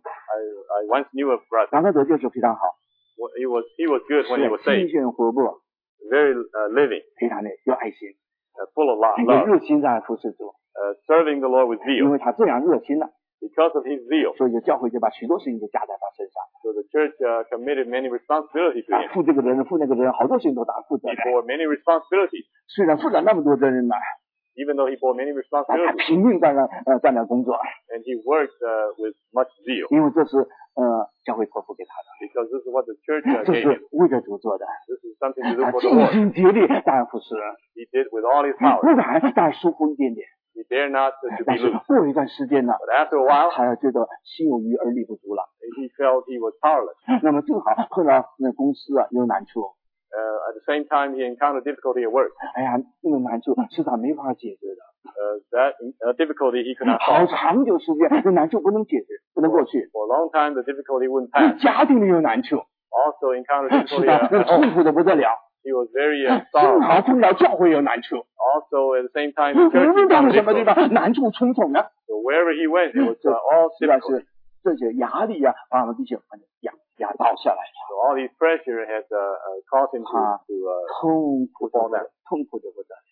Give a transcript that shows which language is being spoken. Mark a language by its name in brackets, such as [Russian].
[English] I once knew a brother. [Chinese] 刚才得救的时候非常好 [English] He was good when he was saved. [Chinese] 清醒活泼 [English] Very living. [Chinese] 非常的有爱心 [English] Full of love. [Chinese] 热心在服侍主 [English] Serving the Lord with zeal. [Chinese] 因为他这样热心了 [English] Because of his zeal. [Chinese] 所以教会就把许多事情都加在他身上 [English] So the church committed many responsibilities to him. [Chinese] 负这个人负那个人好多事情都他负责 [English] He bore many responsibilities. [Chinese] 虽然负了那么多责任呢 [English] Even though he bore many responsibilities. [Chinese] 他拼命在那工作 [English] And he worked with much zeal. [Chinese] 因为这是教会托付给他的 [English] Because this is what the church [Chinese] 这是为着主做的 [English] This is something to do for the Lord [Chinese] 尽心竭力当服侍 [English] He did with all his power [Chinese] 不然但疏忽一点点 [English] He dare not to be loose [Chinese] 但是过了一段时间呢 [English] But after a while [Chinese] 他觉得心有余而力不足了 [English] He felt he was powerless [Chinese] 那么正好碰到那公司啊有难处 [English] At the same time he encountered difficulty at work [Chinese] 哎呀那个难处是他没法解决的 [English] That difficulty he could not solve. [Chinese] 好长久时间，这难处不能解决，不能过去。 [English] For a long time, the difficulty wouldn't pass. [Chinese] 家庭里有难处。 [English] Also encountered difficulty. [Chinese] 是的，那痛苦的不得了。 [English] He was very sorrow. [Chinese] 正好碰到教会有难处。 [English] Also at the same time, the church [Chinese] 无论到了什么地方，难处重重呢。 [English] So wherever he went, it was all difficulty. [Chinese] 是的，这些压力呀，把我们弟兄们压倒下来了。 [English] So all these pressure has caused him to [Chinese] 痛苦的不得了。